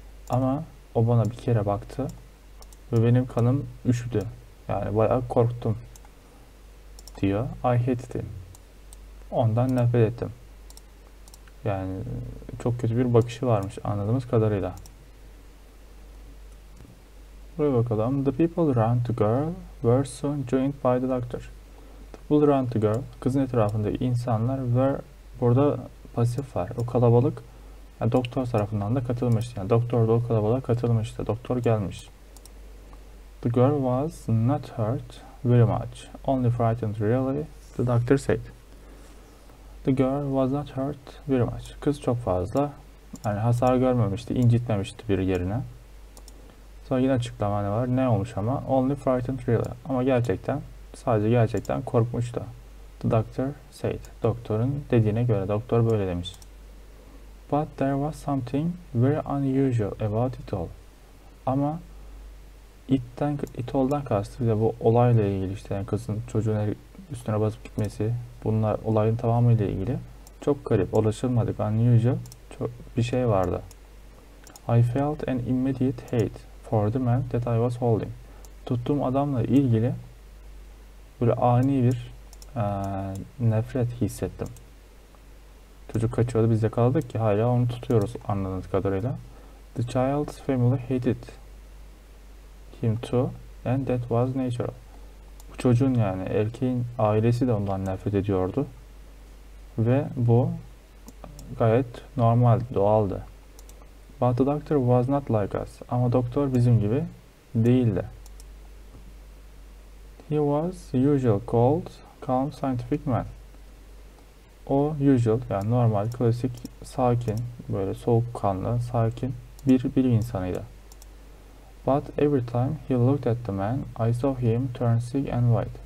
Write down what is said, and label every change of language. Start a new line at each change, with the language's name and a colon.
Turkish: Ama o bana bir kere baktı ve benim kanım üşüdü. Yani bayağı korktum diyor.
English: I hated him.
Turkish: Ondan nefret ettim. Yani çok kötü bir bakışı varmış anladığımız kadarıyla. Buraya bakalım.
English: The people around the girl were soon joined by the doctor. The people around the girl,
Turkish: kızın etrafında insanlar
English: were,
Turkish: burada pasif var. O kalabalık yani doktor tarafından da katılmış. Yani doktor da o kalabalığa katılmıştı. Doktor gelmiş.
English: The girl was not hurt very much. Only frightened really, the doctor said. The girl was not hurt very much.
Turkish: Kız çok fazla yani hasar görmemişti, incitmemişti bir yerine. Sonra yine açıklama ne var? Ne olmuş ama?
English: Only frightened really.
Turkish: Ama gerçekten, sadece gerçekten korkmuştu.
English: The doctor said.
Turkish: Doktorun dediğine göre, doktor böyle demiş.
English: But there was something very unusual about it all.
Turkish: Ama it all'dan kastı ve bu olayla ilgili işte yani kızın çocuğun üstüne basıp gitmesi, bunlar olayın tamamıyla ilgili. Çok garip, ulaşılmadık, unusual çok bir şey vardı.
English: I felt an immediate hate for the man that I was holding.
Turkish: Tuttuğum adamla ilgili böyle ani bir nefret hissettim. Çocuk kaçıyordu, biz yakaladık ki hala onu tutuyoruz anladığınız kadarıyla.
English: The child's family hated him too and that was natural.
Turkish: Bu çocuğun yani erkeğin ailesi de ondan nefret ediyordu. Ve bu gayet normal, doğaldı.
English: But the doctor was not like us.
Turkish: Ama doktor bizim gibi değildi.
English: He was usual cold, calm, scientific man.
Turkish: O usual yani normal klasik sakin böyle soğukkanlı sakin bir bilim insanıydı.
English: But every time he looked at the man, I saw him turn sick and white.